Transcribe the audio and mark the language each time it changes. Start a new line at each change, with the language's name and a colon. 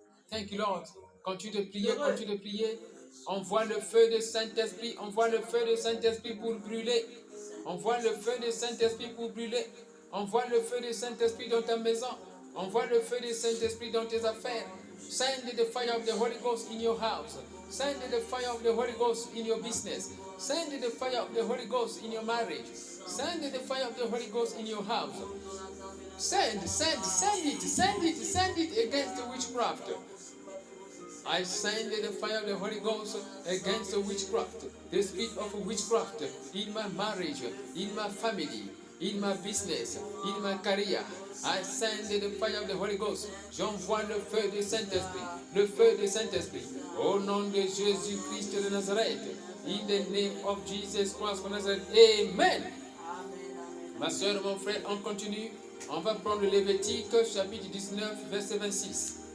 English: Thank you, Lord.
French: Continue de prier, continue de prier. Envoie le feu du Saint-Esprit, envoie le feu du Saint-Esprit pour brûler. Envoie le feu du Saint-Esprit pour brûler. Envoie le feu du Saint-Esprit dans ta maison. Envoie le feu du Saint-Esprit dans tes affaires.
English: Send the fire of the Holy Ghost in your house. Send the fire of the Holy Ghost in your business. Send the fire of the Holy Ghost in your marriage. Send the fire of the Holy Ghost in your house. Send, send, send it, send it, send it against the witchcraft. I send the fire of the Holy Ghost against witchcraft, the spirit of witchcraft in my marriage, in my family, in my business, in my career. I send the fire of the Holy Ghost.
French: J'envoie le feu du Saint-Esprit, le feu du Saint-Esprit. Au nom de Jésus-Christ de Nazareth,
English: in the name of Jesus Christ of Nazareth. Amen.
French: Amen. Ma soeur, mon frère, on continue. On va prendre Lévitique, chapitre 19, verset 26.